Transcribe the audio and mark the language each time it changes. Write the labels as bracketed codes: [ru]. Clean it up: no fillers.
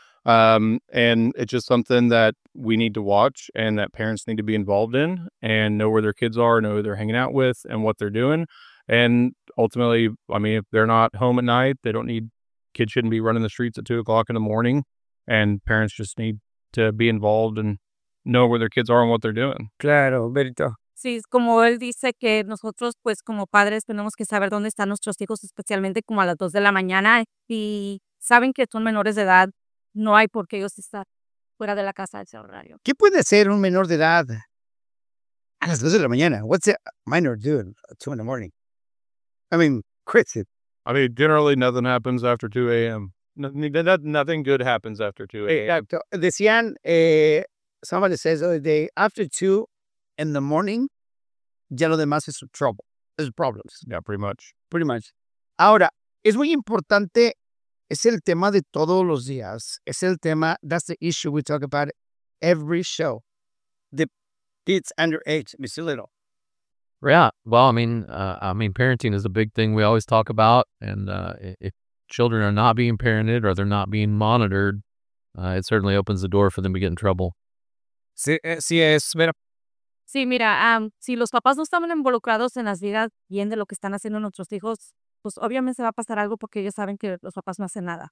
[en] And it's just something that we need to watch and that parents need to be involved in and know where their kids are, know who they're hanging out with and what they're doing. And ultimately, I mean, if they're not home at night, they don't need, kids shouldn't be running the streets at 2 o'clock in the morning, and parents just need to be involved and know where their kids are and what they're doing. [es] Claro, Berito. Sí, como él dice que nosotros, pues como padres, tenemos que saber dónde están nuestros hijos, especialmente como a las 2 de la mañana. Y saben que son menores de edad. No hay por qué ellos estar fuera de la casa a ese horario. ¿Qué puede hacer un menor de edad a las 2 de la mañana? [en] What's a minor doing at 2 in the morning? I mean, crazy. I mean, generally nothing happens after 2 a.m. Nothing good happens after 2 a.m. [es] Exacto. Decían, [en] somebody says the other day, after 2 in the morning, [es] ya lo demás es [en] trouble. [es] Es problems. [en] Yeah, pretty much. Pretty much. [es] Ahora, es muy importante... Es el tema de todos los días. Es el tema, [en] that's the issue we talk about every show. The kids underage, Mr. Little. Yeah, well, I mean, parenting is a big thing we always talk about. And if children are not being parented or they're not being monitored, it certainly opens the door for them to get in trouble. [es] Sí, sí es, mira. Sí, mira, si los papás no están involucrados en las vidas bien de lo que están haciendo nuestros hijos, pues obviamente se va a pasar algo porque ellos saben que los papás no hacen nada.